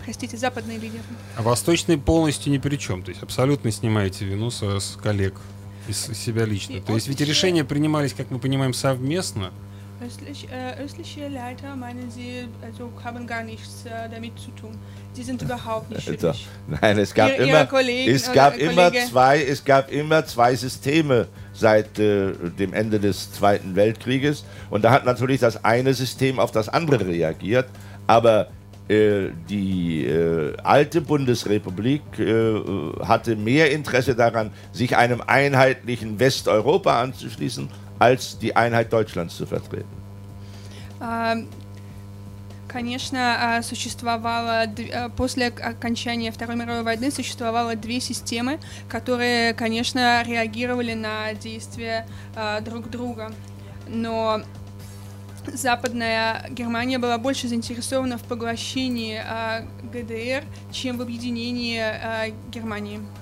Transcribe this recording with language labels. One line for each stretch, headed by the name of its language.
Russian: простите, западные лидеры. А восточные полностью ни при чем. То есть абсолютно снимаете вину со коллег и с себя лично. То есть ведь решения принимались, как мы понимаем, совместно.
German: Östliche Leiter, meinen Sie, also haben gar nichts damit zu tun. Die sind überhaupt nicht schuldig. Nein, es gab immer zwei Systeme seit dem Ende des Zweiten Weltkrieges. Und da hat natürlich das eine System auf das andere reagiert. Aber die alte Bundesrepublik hatte mehr Interesse daran, sich einem einheitlichen Westeuropa anzuschließen, als die Einheit Deutschlands zu vertreten.
Russian: Конечно, существовало после окончания Второй мировой войны существовало две системы, которые, конечно, реагировали на действия друг друга. Но Западная Германия была больше заинтересована в поглощении ГДР, чем в объединении Германии.